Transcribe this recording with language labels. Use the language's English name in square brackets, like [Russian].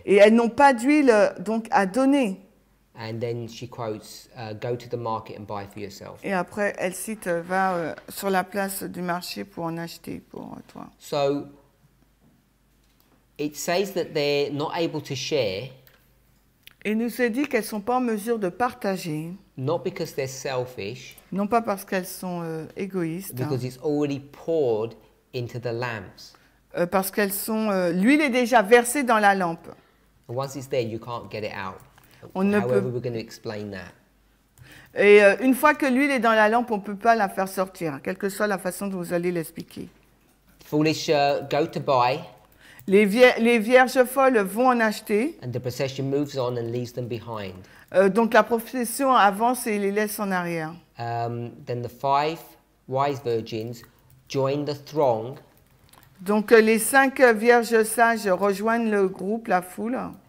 [French] Et elles n'ont pas d'huile donc à donner. [English] And then she quotes, go to the market and buy for yourself. [French] Et après elle cite va sur la place du marché pour en acheter pour toi. [English] So it says that they're not able to share. [French] Et nous a dit qu'elles sont pas en mesure de partager. [English] Not because they're selfish. [French] Non pas parce qu'elles sont égoïstes. [English] Because it's already poured into the lamps. [French] Parce qu'elles sont l'huile est déjà versée dans la lampe. [English] And once it's there, you can't get it out. However, we're going to explain that. [French] Et une fois que l'huile est dans la lampe, on peut pas la faire sortir, quelle que soit la façon dont vous allez l'expliquer. [English] Foolish, go to buy. [French] Les vierges folles vont en acheter. [English] And the procession moves on and leaves them behind. [French] Donc la procession avance et les laisse en arrière. [English] Then the five wise virgins join the throng. [French] Donc les cinq vierges sages rejoignent le groupe, la foule.